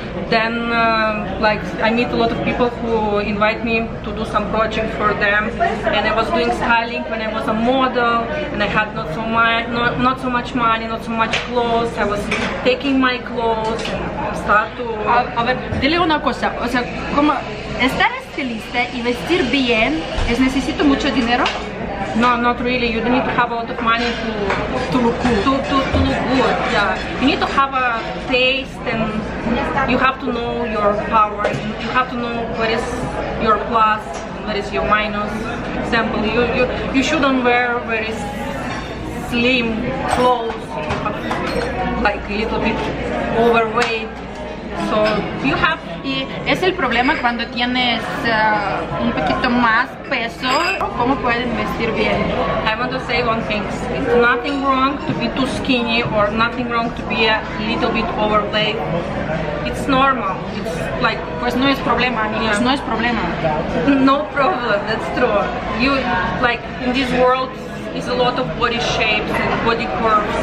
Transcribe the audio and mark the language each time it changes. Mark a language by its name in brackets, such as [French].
[English] Then like I meet a lot of people who invite me to do some project for them, and I was doing styling when I was a model and I had not so much money, not so much clothes. I was taking my clothes and start to [Spanish] a ver, dile una cosa, o sea, como estar estilista y vestir bien es necesito mucho dinero. [English] No, not really. You need to have a lot of money to look good. To look good, yeah. You need to have a taste and you have to know your power. You have to know what is your plus, what is your minus. Example, you shouldn't wear very slim clothes, like a little bit overweight. So you have. [Spanish] Y es el problema cuando tienes un poquito más peso, ¿cómo puedes vestir bien? [English] I want to say one thing. It's nothing wrong to be too skinny or nothing wrong to be a little bit overweight. It's normal. It's like, [Spanish] pues no es problema, amigos, no es problema. [English] No problem, that's true. You, like, in this world, it's a lot of body shapes and body curves.